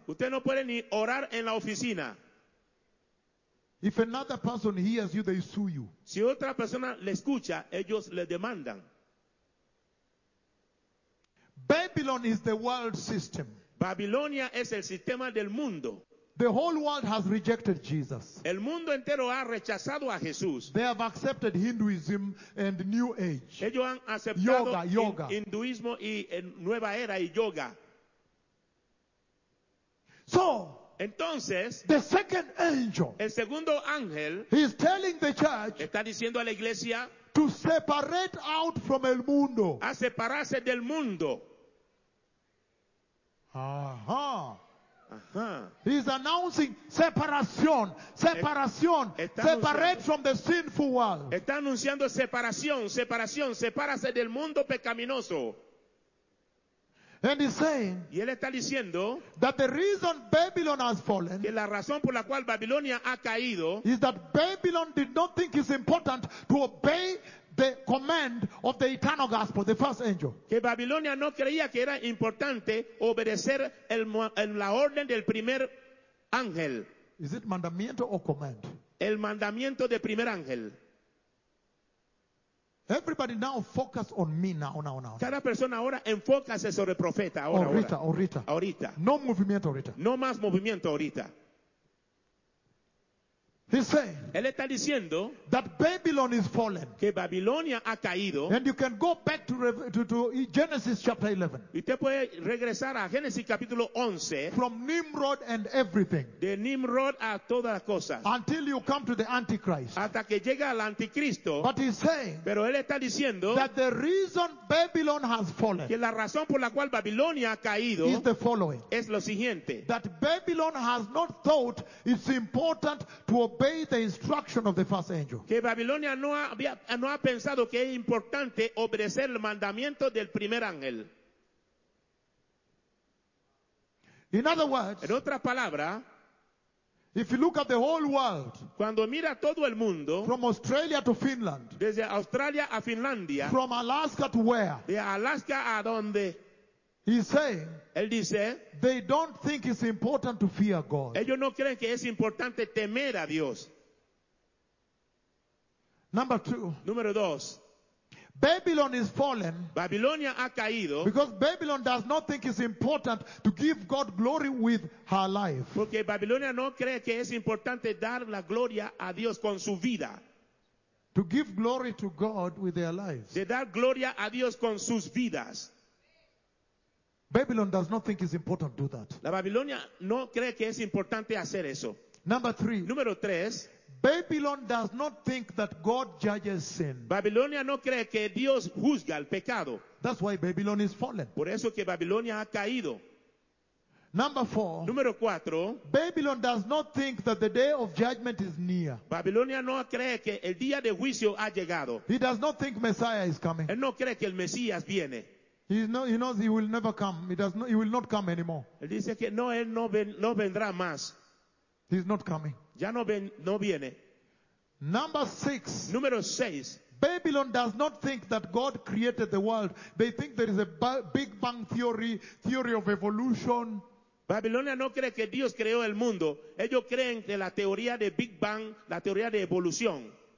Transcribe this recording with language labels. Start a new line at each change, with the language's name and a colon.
Spanish: Usted no puede ni orar en la oficina.
English: If another person hears you, they sue you.
Spanish: Si otra persona le escucha, ellos le demandan.
English: Babylon is the world system.
Spanish: Babilonia es el sistema del mundo.
English: The whole world has rejected Jesus.
Spanish: El mundo entero ha rechazado a Jesús.
English: They have accepted Hinduism and New Age.
Spanish: Ellos han aceptado yoga. Hinduismo y nueva era y yoga.
English: So,
Spanish: entonces,
English: the second angel,
Spanish: el segundo ángel,
English: is telling the church,
Spanish: está diciendo a la iglesia,
English: to separate out from
Spanish: el mundo, a separarse del mundo. Aha. Uh-huh.
English: He's announcing separación, separate from the sinful world.
Spanish: Está anunciando separación, sepárase del mundo pecaminoso.
English: And he's saying,
Spanish: y él está diciendo,
English: that the reason Babylon has fallen, que la razón por la cual Babilonia ha caído, is that Babylon did not think it's important to obey the command of the eternal gospel, the first angel.
Spanish: Que Babilonia no creía que era importante obedecer la orden del primer ángel.
English: Is it
Spanish: mandamiento
English: or command?
Spanish: El mandamiento del primer ángel.
English: Everybody now focus on me now.
Spanish: Cada persona ahora enfócase sobre el profeta. Ahorita. No movimiento ahorita. No más movimiento ahorita.
English: He's saying,
Spanish: él está diciendo,
English: that Babylon is fallen,
Spanish: que Babilonia ha caído,
English: and you can go back to Genesis chapter 11.
Spanish: Usted puede regresar a Génesis capítulo 11,
English: from Nimrod and everything,
Spanish: de Nimrod a todas las cosas,
English: until you come to the Antichrist,
Spanish: hasta que llega al Anticristo.
English: But he's saying,
Spanish: pero él está diciendo,
English: that the reason Babylon has fallen,
Spanish: que la razón por la cual Babilonia ha caído,
English: is the following,
Spanish: es lo siguiente,
English: that Babylon has not thought it's important to obey the instruction of the first angel.
Spanish: Que Babilonia no ha pensado que es importante obedecer el mandamiento del primer ángel.
English: In other words,
Spanish: en otra palabra,
English: if you look at the whole world,
Spanish: cuando mira todo el mundo,
English: from Australia to Finland,
Spanish: desde Australia a Finlandia,
English: from Alaska to where,
Spanish: de Alaska a donde,
English: he's saying,
Spanish: él dice,
English: they don't think it's important to fear God.
Spanish: Ellos no creen que es importante temer a Dios.
English: Number two.
Spanish: Número dos.
English: Babylon is fallen.
Spanish: Babilonia ha caído.
English: Because Babylon does not think it's important to give God glory with her life.
Spanish: Porque Babilonia no cree que es importante dar la gloria a Dios con su vida.
English: To give glory to God with their lives.
Spanish: De dar gloria a Dios con sus vidas.
English: Babylon does not think it's important to do that.
Spanish: La Babilonia no cree que es importante hacer eso.
English: Number three.
Spanish: Número tres.
English: Babylon does not think that God judges sin.
Spanish: Babilonia no cree que Dios juzga el pecado.
English: That's why Babylon is fallen.
Spanish: Por eso que Babilonia ha caído.
English: Number four.
Spanish: Número cuatro.
English: Babylon does not think that the day of judgment is near.
Spanish: Babilonia no cree que el día de juicio ha llegado.
English: He does not think Messiah is coming.
Spanish: Él no cree que el Mesías viene.
English: He knows he will never come. He will not come anymore.
Spanish: Dice que no, él no, no vendrá más.
English: He's not coming.
Spanish: Ya no, ven, no viene.
English: Number six.
Spanish: Número seis.
English: Babylon does not think that God created the world. They think there is a Big Bang theory of evolution.
Spanish: Babilonia no cree que Dios creó el mundo. Ellos creen que la teoría de Big Bang, la teoría de evolución.